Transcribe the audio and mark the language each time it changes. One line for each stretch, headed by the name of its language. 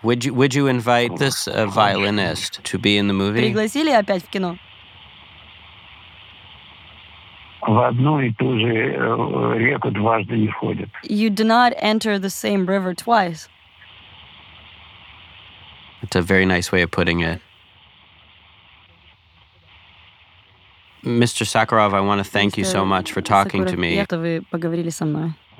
English: Would you invite this violinist to be in the movie?
Russian: Пригласили опять в кино. В одну и ту же реку дважды не ходят.
English: You do not enter the same river twice. It's a very nice way of putting it. Mr. Sakharov, I want to thank you so much for talking to me.
Russian: Вы поговорили со мной.